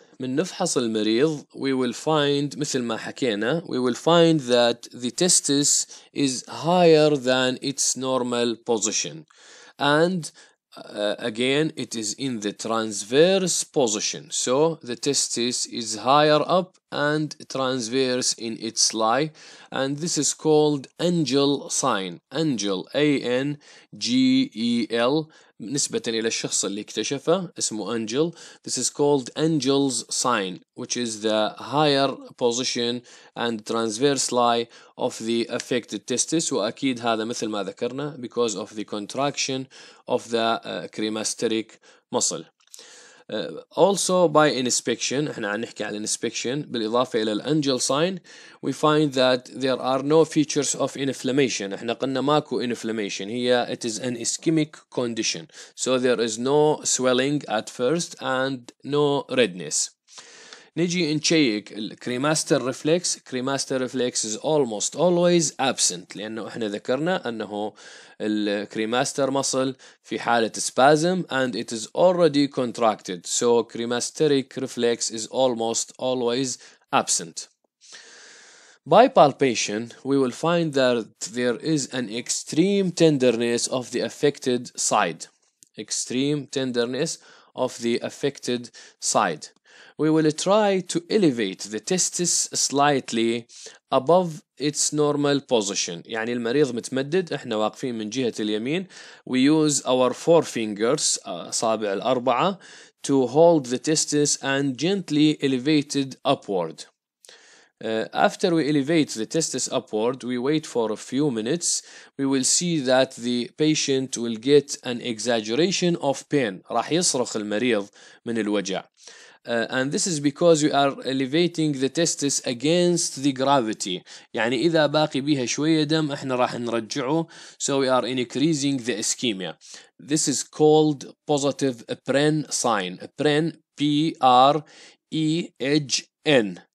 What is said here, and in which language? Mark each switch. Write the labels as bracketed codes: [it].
[ar] من نفحص المريض, [en] we will find, [ar] مثل ما حكينا, [en] we will find that the testis is higher than its normal position. And again, it is in the transverse position. So the testis is higher up and transverse in its lie. And this is called angel sign. Angel, A-N-G-E-L. [ar] نسبة إلى الشخص اللي اكتشفه اسمه angel. [en] This is called angel's sign, which is the higher position and transverse lie of the affected testis. [ar] وأكيد هذا مثل ما ذكرنا [en] because of the contraction of the cremasteric muscle. Also by inspection, [ar] احنا عم نحكي على [en] inspection, [ar] بالإضافة إلى الأنجل [en] sign, we find that there are no features of inflammation. [ar] احنا قلنا ماكو inflammation, هي [en] it is an ischemic condition. So there is no swelling at first and no redness. [ar] نجي نشيك الكريماستر ريفلكس. [en] cremaster reflex is almost always absent, [ar] لأنه احنا ذكرنا أنه الكريماستر مصل في حالة [en] spasm and it is already contracted. So cremasteric reflex is almost always absent. By palpation, we will find that there is an extreme tenderness of the affected side. Extreme tenderness of the affected side. We will try to elevate the testis slightly above its normal position. [ar] يعني المريض متمدد, احنا واقفين من جهة اليمين. [en] We use our four fingers, [ar] أصابع الأربعة, [en] to hold the testis and gently elevate it upward. After we elevate the testis upward, we wait for a few minutes. We will see that the patient will get an exaggeration of pain. [ar] راح يصرخ المريض من الوجع. [en] And this is because we are elevating the testis against the gravity. [ar] يعني إذا باقي بيها شوية دم إحنا راح نرجعه. [en] So we are increasing the ischemia. This is called positive Pren sign. Pren, P-R-E-H-N.